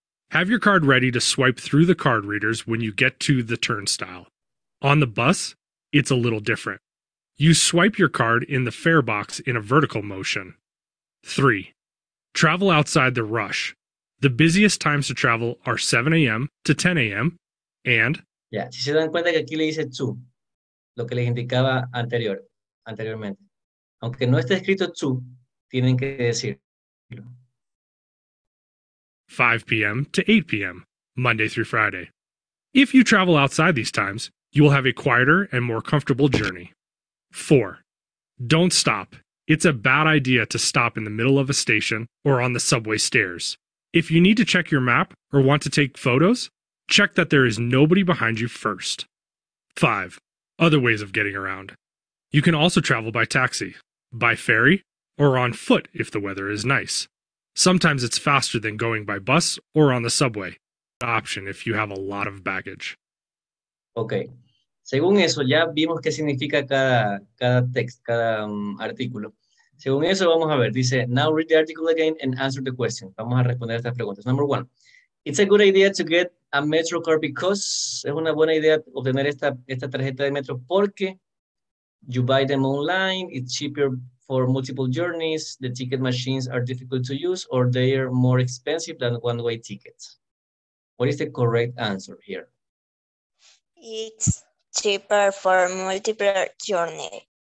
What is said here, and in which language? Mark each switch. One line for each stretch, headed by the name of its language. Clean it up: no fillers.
English: Have your card ready to swipe through the card readers when you get to the turnstile. On the bus, it's a little different. You swipe your card in the fare box in a vertical motion. 3. Travel outside the rush. The busiest times to travel are 7 a.m. to 10 a.m. and...
Spanish: Yeah, si se dan cuenta que aquí le dice 2, lo que les indicaba anteriormente. Aunque no esté escrito 2, tienen que decirlo.
English: 5 p.m. to 8 p.m., Monday through Friday. If you travel outside these times, you will have a quieter and more comfortable journey. 4. Don't stop. It's a bad idea to stop in the middle of a station or on the subway stairs. If you need to check your map or want to take photos, check that there is nobody behind you first. 5. Other ways of getting around. You can also travel by taxi, by ferry, or on foot if the weather is nice. Sometimes it's faster than going by bus or on the subway. An option if you have a lot of baggage. Okay.
Spanish: Según eso, ya vimos qué significa cada text, cada artículo. Según eso, vamos a ver. Dice,
English: now read the article again and answer the question.
Spanish: Vamos a responder estas preguntas.
English: Number one. It's a good idea to get a MetroCard because...
Spanish: Es una buena idea obtener esta tarjeta de metro porque...
English: You buy them online, it's cheaper for multiple journeys, the ticket machines are difficult to use, or they are more expensive than one-way tickets. What is the correct answer here? It's cheaper for multiple journeys.